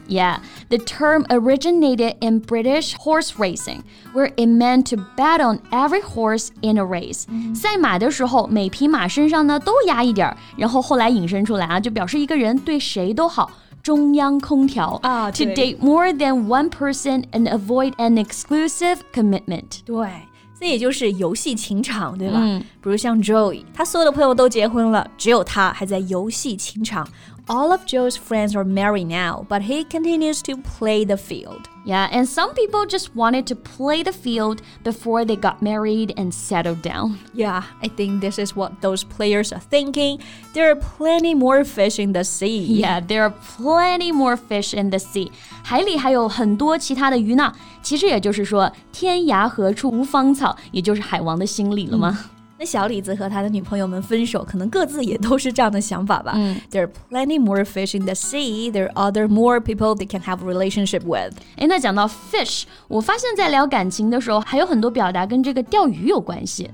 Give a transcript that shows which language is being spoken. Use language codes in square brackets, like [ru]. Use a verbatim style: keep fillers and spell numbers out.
[en] Yeah, the term originated in British horse racing, where it meant to bet on every horse in a race. [zh] 赛马的时候每匹马身上呢都压一点，然后后来引申出来啊，就表示一个人对谁都好。中央空调、啊、 [en] To date more than one person and avoid an exclusive commitment. [zh] 对，这也就是游戏情场，对吧、嗯、比如像 Joey, 他所有的朋友都结婚了，只有他还在游戏情场。 [en] All of Joe's friends are married now, but he continues to play the field. Yeah, and some people just wanted to play the field before they got married and settled down. Yeah, I think this is what those players are thinking. There are plenty more fish in the sea. Yeah, there are plenty more fish in the sea. [zh] 海里还有很多其他的鱼呢。其实也就是说，天涯何处无芳草，也就是海王的心理了吗？嗯那小李子和他的女朋友们分手，可能各自也都是这样的想法吧。嗯 [en] There are plenty more fish in the sea. There are other more people they can have a relationship with. [zh] 诶，那讲到 fish， 我发现在聊感情的时候，还有很多表达跟这个钓鱼有关系。